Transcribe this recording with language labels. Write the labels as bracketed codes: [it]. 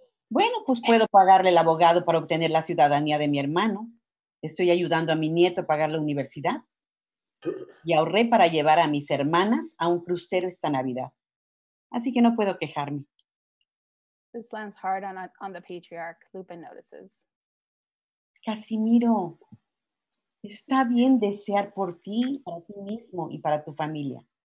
[es] Bueno, pues puedo pagarle al abogado para obtener la ciudadanía de mi hermano. Estoy ayudando a mi nieto a pagar la universidad. Y ahorré para llevar a mis hermanas a un crucero esta Navidad. Así que no puedo quejarme. [en] This lands hard on the patriarch, Lupe notices. [es] Casimiro, está bien desear por ti, para ti mismo y para tu familia.